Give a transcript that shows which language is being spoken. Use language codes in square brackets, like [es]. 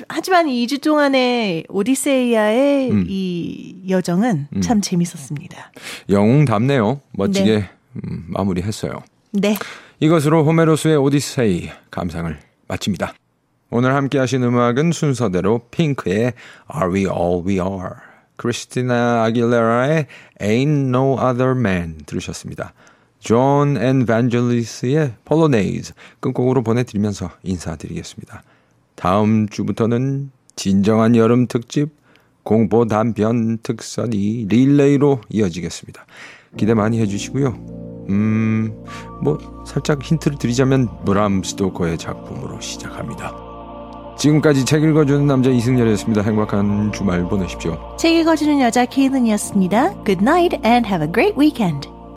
[ko] 하지만 2주 동안의 오디세이아의 이 여정은 참 재밌었습니다. 영웅답네요. 멋지게 네. 마무리했어요. 네. 이것으로 호메로스의 오디세이 감상을 마칩니다. 오늘 함께 하신 음악은 순서대로 핑크의 Are We All We Are 크리스티나 아길레라의 Ain't No Other Man 들으셨습니다. 존 엔벤젤리스의 폴로네이즈 끝곡으로 보내드리면서 인사드리겠습니다. 다음 주부터는 진정한 여름 특집 공포 단편 특선이 릴레이로 이어지겠습니다. 기대 많이 해주시고요. 뭐 살짝 힌트를 드리자면 브람 스토커의 작품으로 시작합니다. 지금까지 책 읽어주는 남자 이승열이었습니다. 행복한 주말 보내십시오. 책 읽어주는 여자 케일린이었습니다. [en] Good night and have a great weekend.